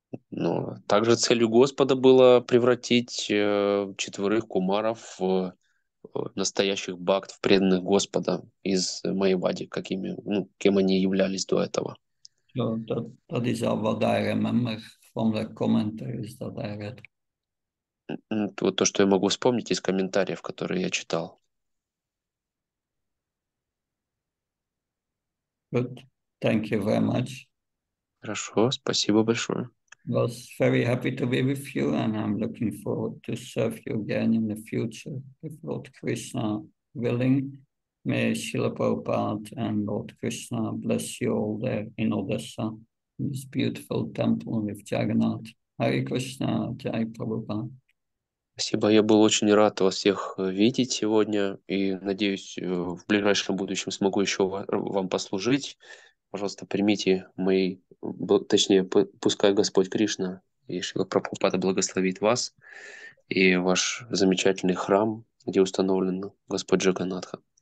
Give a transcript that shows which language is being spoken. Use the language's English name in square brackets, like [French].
[Russian] Ну, также целью Господа было превратить четверых кумаров в настоящих бхакт, в преданных Господа из Майявади, какими, ну, кем они являлись до этого. [English] So that is what I remember from the commentaries that I read. [Russian] Вот то, что я могу вспомнить из комментариев, которые я читал. [English] Good. Thank you very much. [Russian] Хорошо, спасибо большое. [English] Was very happy to be with you, and I'm looking forward to serve you again in the future, if Lord Krishna willing. May Srila Prabhupada and Lord Krishna bless you all there in Odessa, in this beautiful temple with Jagannath. Hare Krishna, Jai Prabhupada. [Russian] Спасибо, я был очень рад вас всех видеть сегодня, и надеюсь, в ближайшем будущем смогу еще вам послужить. Пожалуйста, примите мои, точнее, пускай Господь Кришна и Шрила Прабхупада благословит вас и ваш замечательный храм, где установлен Господь Джаганнатха.